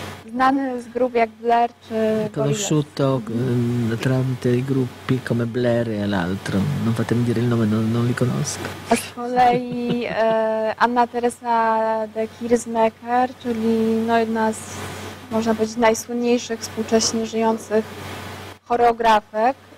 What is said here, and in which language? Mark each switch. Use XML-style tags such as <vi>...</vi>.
<pl>Znany z grup jak Blair czy</pl> <it>conosciuto tramite i gruppi come Blair e l'altro. Non fatemi dire il nome, non li conosco.</it> <pl>A z kolei Anna Teresa de Kirzmecker, czyli no jedna z, można powiedzieć, najsłynniejszych współcześnie żyjących choreografek.</pl>